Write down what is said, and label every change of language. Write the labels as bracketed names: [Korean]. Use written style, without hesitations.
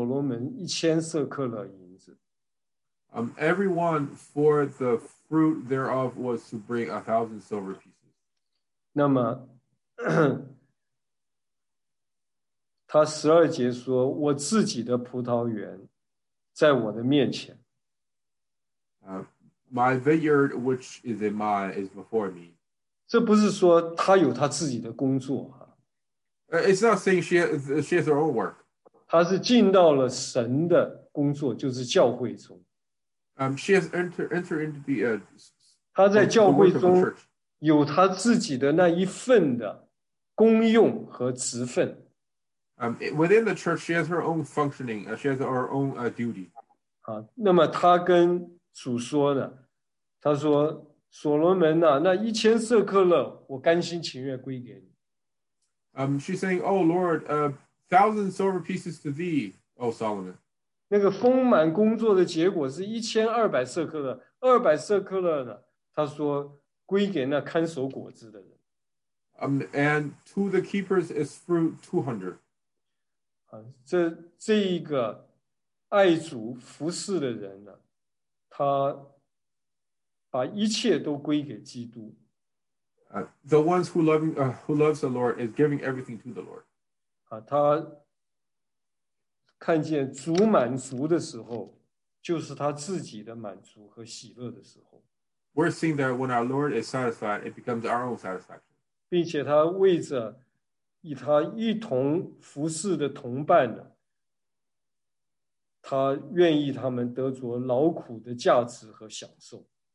[Chinese] 他说呢，每一个人呢，为着收成的果实啊，把价值啊，交给所罗门1000色克勒银子。 [English] Everyone for the fruit thereof was to bring 1000 silver pieces. [Chinese] 那么，他十二节说，我自己的葡萄园。在我的面前, [English] my vineyard, which is in my, is before me. [Chinese] 这不是说他有他自己的工作啊。 [English] It's not saying she has her own work. [Chinese] 他是进到了神的工作, 就是教会中。 [English] She has entered into the work of the church. [Chinese] 他在教会中有他自己的那一份的功用和职分。 [English] Within the church, she has her own functioning, she has her own duty. [Chinese] 那么他跟主说呢，他说所罗门啊，那一千色客勒，我甘心情愿归给你。 [English] She's saying, "Oh Lord, a thousand silver pieces to thee, O Solomon." [Chinese] 那个丰满工作的结果是一千二百色客勒，二百色客勒呢？他说归给那看守果子的人。 [English] And to the keepers is fruit 200. [Chinese] 这一个爱主服侍的人呢，他把一切都归给基督。 [English] The ones who loves the Lord is giving everything to the Lord. [Chinese] 他看见主满足的时候，就是他自己的满足和喜乐的时候。 [English] We're seeing that when our Lord is satisfied, it becomes our own satisfaction. [Chinese] 并且他为着与他一同服侍的同伴呢，他愿意他们得着劳苦的价值和享受。